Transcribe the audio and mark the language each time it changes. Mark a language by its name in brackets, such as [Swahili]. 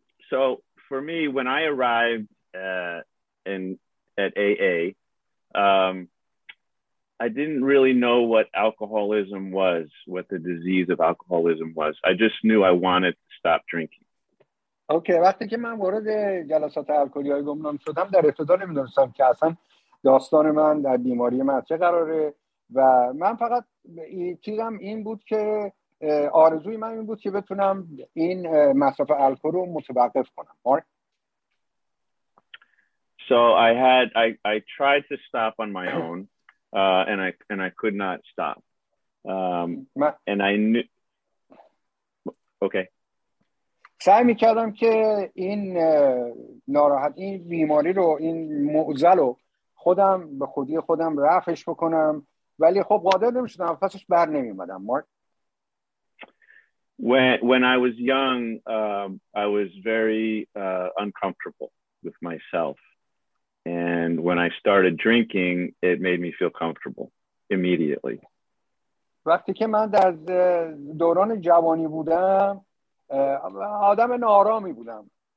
[English] So for me, when I arrived at AA, I didn't really know what alcoholism was, what the disease of alcoholism was. I just knew I wanted to stop drinking. [Persian] Okay, وقتی که من وارد جلسات الکلی های گمنام شدم، در ابتدا نمیدونستم که اصلا داستان من در بیماری من چه قراره و من فقط چیزم این بود که آرزوی من این بود که بتونم این مصرف الکل رو متوقف کنم. [English] So I tried to stop on my own and I could not stop. And I knew. Okay. [Persian] سعی می‌کردم که این ناراحتی، این بیماری رو، این معضل رو خودم به خودی خودم رفعش بکنم، ولی خب قادر نمی‌شدم، پسش بر نمی‌اومدم. مارک. [English] When I was young, I was very uncomfortable with myself. And when I started drinking, it made me feel comfortable immediately. [Persian] وقتی که من در دوران جوانی بودم، آدم نارامی بودم.